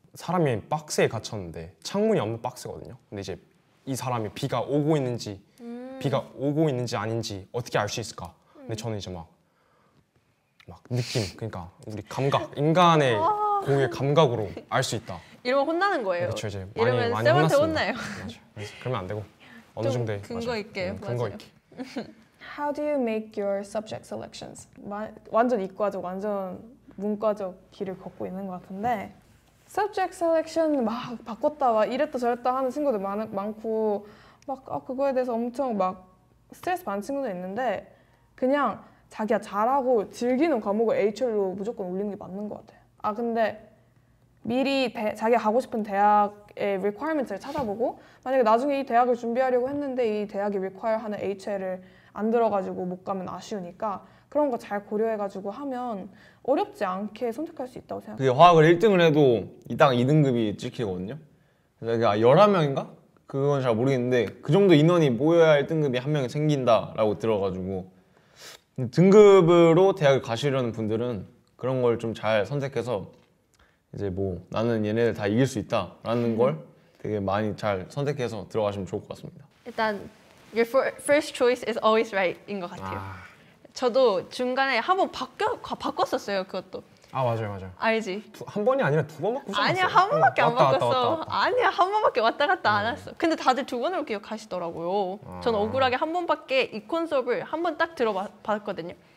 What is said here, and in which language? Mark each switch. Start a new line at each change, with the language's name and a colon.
Korean: 사람이 박스에 갇혔는데 창문이 없는 박스거든요. 근데 이제 이 사람이 비가 오고 있는지 비가 오고 있는지 아닌지 어떻게 알 수 있을까? 근데 저는 이제 막 느낌, 그러니까 우리 감각, 인간의 고유의 감각으로 알 수 있다. 이러면 혼나는 거예요. 그렇죠, 이제 이러면 많이 쌤한테 혼나요. 그렇죠. 그러면 안 되고 어느 정도의 근거 맞아. 있게 근거 있게.
English: How do you make your subject selections?
Korean: 완전 이과적, 완전 문과적 길을 걷고 있는 것 같은데 subject selection 막 바꿨다 막 이랬다 저랬다 하는 친구들 많고 막 그거에 대해서 엄청 막 스트레스 받는 친구도 있는데 그냥 자기가 잘하고 즐기는 과목을 HR로 무조건 올리는 게 맞는 것 같아요. 아 근데 미리 자기가 가고 싶은 대학의 requirements를 찾아보고 만약에 나중에 이 대학을 준비하려고 했는데 이 대학이 require하는 HR을 안 들어가지고 못 가면 아쉬우니까 그런 거 잘 고려해가지고 하면 어렵지 않게 선택할 수 있다고 생각해요. 그게 화학을 1등을 해도 이 땅 2등급이 찍히거든요. 그래서 11명인가? 그건 잘 모르겠는데 그 정도 인원이 모여야 1등급이 한 명이 생긴다라고 들어가지고 등급으로 대학을 가시려는 분들은 그런 걸 좀 잘 선택해서 이제 뭐 나는 얘네들 다 이길 수 있다라는 걸 되게 많이 잘 선택해서 들어가시면 좋을 것 같습니다. 일단 your first choice is always right 인 것 같아요. 저도 중간에 한번 바꿨었어요, 그것도. 아, 맞아요, 맞아요. 알지? 한 번이 아니라 두 번 바꿨어요. 아니야, 한 번밖에 안 바꿨어. 아니야, 한 번밖에 왔다 갔다 안 했어. 근데 다들 두 번으로 기억하시더라고요. 전 억울하게 한 번밖에 이콘 수업을 한 번 딱 들어봤거든요.